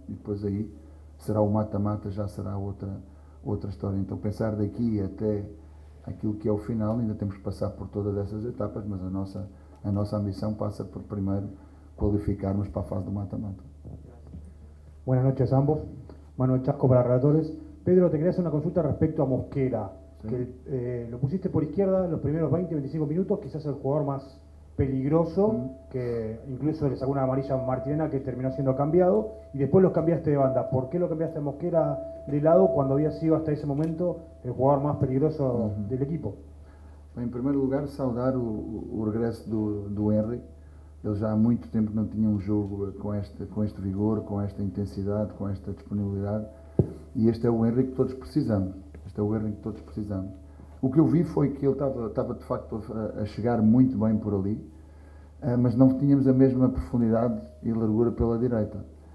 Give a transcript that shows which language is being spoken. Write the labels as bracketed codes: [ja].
[pt] E depois aí, será o mata-mata, já será outra história. Então, pensar daqui até aquilo que é o final, ainda temos que passar por todas essas etapas, mas a nossa ambição passa por primeiro qualificarmos para a fase do mata-mata. [es] Buenas noches a ambos. Manuel Chasco para Relatores. Pedro, te quería hacer una consulta respecto a Mosquera, sí. Que lo pusiste por izquierda los primeros 20-25 minutos, quizás el jugador más peligroso, que incluso le sacó una amarilla a Martirena, que terminó siendo cambiado, y después los cambiaste de banda. ¿Por qué lo cambiaste a Mosquera de lado cuando había sido hasta ese momento el jugador más peligroso del equipo? En primer lugar, saludar el regreso do Henry. [pt] Ele já há muito tempo não tinha um jogo com este vigor, com esta intensidade, com esta disponibilidade. E este é o Henry que todos precisamos. Este é o Henry que todos precisamos. O que eu vi foi que ele estava de facto a chegar muito bem por ali, mas não tínhamos a mesma profundidade e largura pela direita.